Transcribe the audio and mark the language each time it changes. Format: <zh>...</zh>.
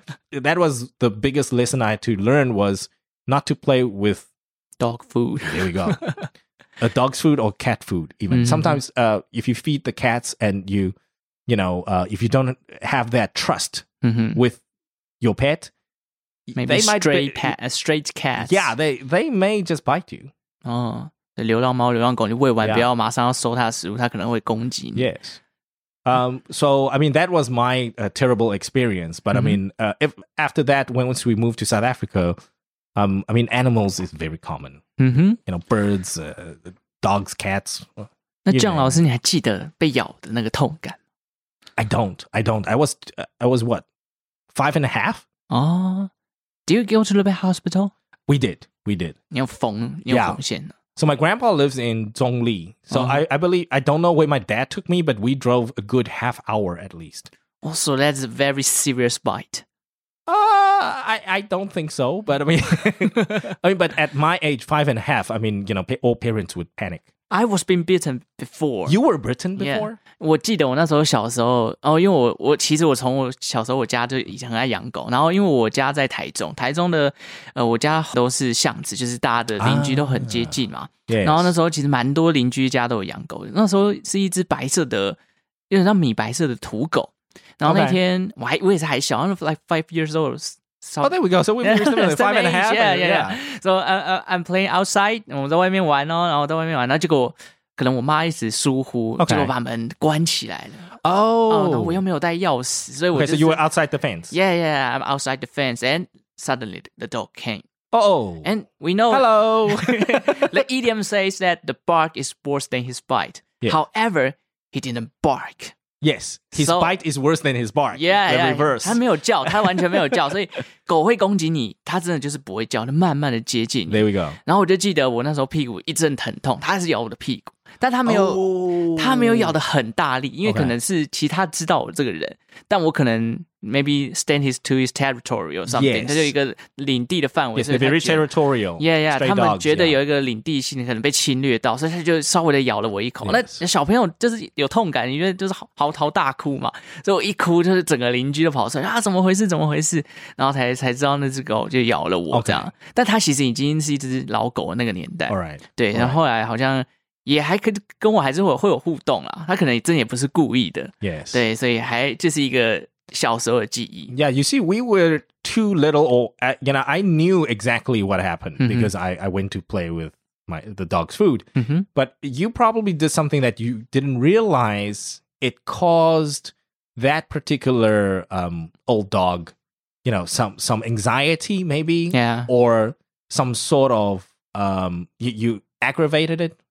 <en>That was the biggest lesson I had to learn, was not to play with dog food. There we go. A dog's food or cat food, even. Mm-hmm. Sometimes if you feed the cats and you know, if you don't have that trust with your pet. Maybe they straight cats. Yeah, they may just bite you.</en> <zh>Oh, 流浪猫、流浪狗，你喂完不要马上要收它的食物，它可能会攻击你。</zh> <en>Yes. So, I mean, that was my terrible experience. But, I mean, after that, once we moved to South Africa, I mean, animals is very common. You know, birds, dogs, cats.</en> <zh>那姜老师，你还记得被咬的那个痛感？</zh> <en>I don't. I was what? 5 and a half? Oh. Do you go to the hospital? We did.</en> <zh>你要缝，你要缝线。</zh> <en>So my grandpa lives in Zhongli. So I believe, I don't know where my dad took me, but we drove a good half hour at least. Oh, so that's a very serious bite. I don't think so. But I mean, but at my age, 5 and a half, I mean, you know, all parents would panic. I was being bitten before. You were bitten before? Yeah.</en> <zh>我记得我那时候小时候，哦，因为我其实我从我小时候我家就以前很爱养狗，然后因为我家在台中的，我家都是巷子，就是大家的邻居都很接近嘛。然后那时候其实蛮多邻居家都有养狗的，那时候是一只白色的，有点像米白色的土狗。然后那天我也是还小， I'm like 5 years old.</zh> <en>So, oh, there we go. So we're similar, five and a half. Yeah. So I'm playing outside.</en> <zh>我在外面玩哦，然后在外面玩。那结果可能我妈一时疏忽，结果把门关起来了。</zh> <en>Oh.</en> <zh>然后我又没有带钥匙，所以我就是。</zh> <en>Okay, so you were outside the fence. Yeah. I'm outside the fence, and suddenly the dog came. Oh. And we know. Hello. The idiom says that the bark is worse than his bite. Yeah. However, he didn't bark. Yes, his bite is worse than his bark. Yeah, reverse.</en> <zh>他没有叫，他完全没有叫，所以狗会攻击你，他真的就是不会叫，他慢慢的接近你。</zh> <en>There we go.</en> <zh>然后我就记得我那时候屁股一阵疼痛，他是咬我的屁股，但他没有，他没有咬的很大力，因为可能是其他知道我这个人， okay.</zh> <en>但我可能 maybe stand his to his territory or something. Yes.</en> <zh>他就一个领地的范围，</zh> <en>yes, very territorial. Yeah.</en> <zh>他们觉得有一个领地性可能被侵略到，所以他就稍微的咬了我一口。</zh> <en>Yes.</en> <zh>那小朋友就是有痛感，因为就是嚎啕大哭嘛，所以我一哭就是整个邻居都跑出来啊，怎么回事？怎么回事？然后才知道那只狗就咬了我这样。</zh> <en>Okay.</en> <zh>但他其实已经是一只老狗那个年代。</zh> <en>All right.</en> <zh>对，</zh> <en>right.</en> <zh>然后后来好像。也还可以跟我还是会有互动啦，他可能真的也不是故意的。</zh> <en>Yes.</en> <zh>对，所以还就是一个小时候的记忆。</zh> <en>Yeah, you see, we were too little, or you know, I knew exactly what happened because I went to play with the dog's food. But you probably did something that you didn't realize it caused that particular old dog, you know, some anxiety maybe, or some sort of you aggravated it.</en>